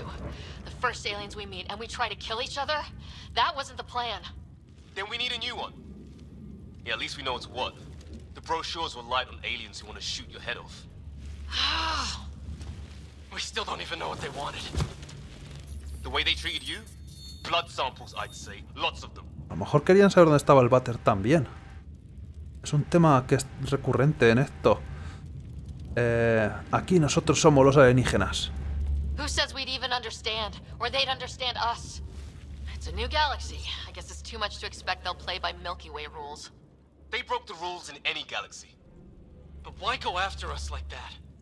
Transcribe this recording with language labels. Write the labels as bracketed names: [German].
[English] The first aliens we meet and we try to kill each other, that wasn't the plan. Then we need a new one. Yeah, at least we know it's what. The brochures were light on aliens who want to shoot your head off. We still don't even know what they wanted. The way they treated you? Blood samples, I'd say. Lots of them. [Spanish] A lo mejor querían saber dónde estaba el váter también. Es un tema que es recurrente en esto. Aquí nosotros somos los alienígenas. [English] Who says we'd even understand, or they'd understand us? It's a new galaxy. I guess it's too much to expect they'll play by Milky Way rules. They broke the rules in any galaxy. But why go after us like that?